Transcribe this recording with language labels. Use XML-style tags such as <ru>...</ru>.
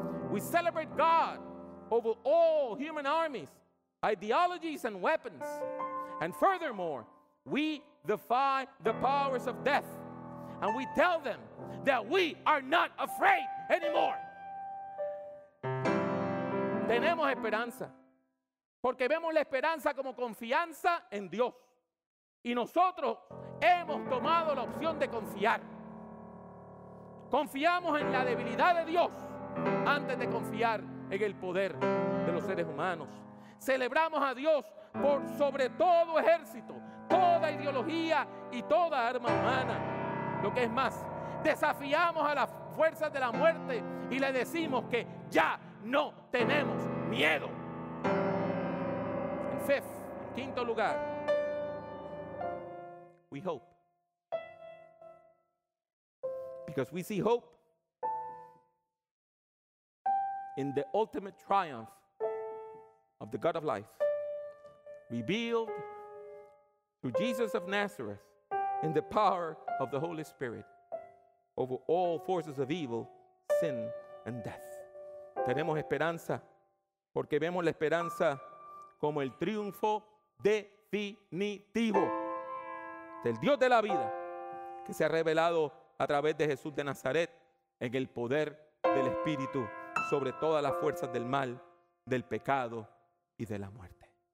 <en>We celebrate God over all human armies, ideologies, and weapons. And furthermore, we defy the powers of death and we tell them that we are not afraid anymore.</en> <es>Tenemos esperanza, porque vemos la esperanza como confianza en Dios. Y nosotros hemos tomado la opción de confiar. Confiamos en la debilidad de Dios antes de confiar en el poder de los seres humanos. Celebramos a Dios por sobre todo ejército, toda ideología y toda arma humana. Lo que es más, desafiamos a las fuerzas de la muerte y le decimos que ya no tenemos miedo. En quinto lugar,</es> <en>we hope because we see hope in the ultimate triumph of the God of life revealed through Jesus of Nazareth in the power of the Holy Spirit over all forces of evil, sin, and death.</en> <es>Tenemos esperanza porque vemos la esperanza como el triunfo definitivo del Dios de la vida que se ha revelado a través de Jesús de Nazaret en el poder del Espíritu sobre todas las fuerzas del mal, del pecado y de la muerte.</es>